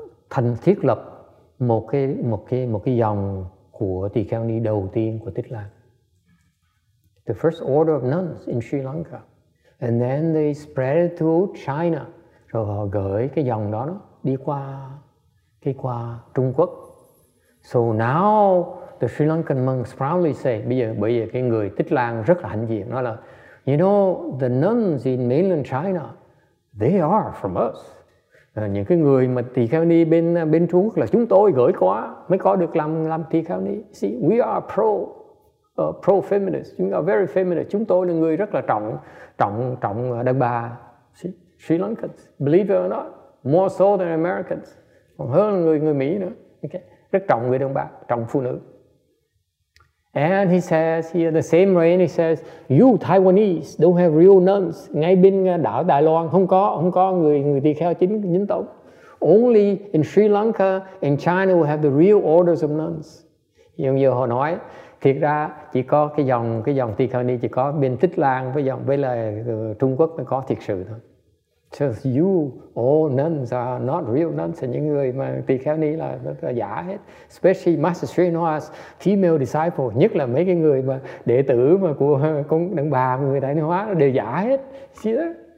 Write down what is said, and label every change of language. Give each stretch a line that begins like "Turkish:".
Vietnamese: Thành thiết lập một cái dòng của tỳ kheo ni đầu tiên của Tích Lan.
English: The first order of nuns in Sri Lanka. And then they spread it to China.
Vietnamese: Rồi họ gửi cái dòng đó đi qua Trung Quốc.
English: So now the Sri Lankan monks proudly say,
Vietnamese: bây giờ cái người Tích Lan rất là hãnh diện, nói là,
English: you know, the nuns in mainland China, they are from us.
Vietnamese: Những cái người mà tỳ kheo ni bên Trung Quốc là chúng tôi gửi qua mới có được làm tỳ kheo ni.
English: See, we are pro feminist,
Vietnamese: chúng ta
English: very feminist,
Vietnamese: chúng tôi là người rất là trọng đàn bà.
English: See, Sri Lankans, believe it or not, more so than Americans,
Vietnamese: còn hơn người Mỹ nữa.
English: Okay.
Vietnamese: Rất trọng người đàn bà, trọng phụ nữ.
English: And he says here the same way, he says, you Taiwanese don't have real nuns.
Vietnamese: Ngay bên đảo Đài Loan không có người tỳ kheo chính tông.
English: Only in Sri Lanka and China will have the real orders of nuns.
Vietnamese: Nhưng giờ họ nói thiệt ra chỉ có cái dòng tỳ kheo ni chỉ có bên Tích Lan với Trung Quốc mới có thiệt sự thôi.
English: So you all nuns are not real nuns, and
Vietnamese: những người mà tỳ kheo ni là giả hết.
English: Especially Master Sri Nuas, female disciple,
Vietnamese: nhất là mấy cái người mà đệ tử mà của con đàn bà người Đại Ni Hóa đều giả hết.
English: See that?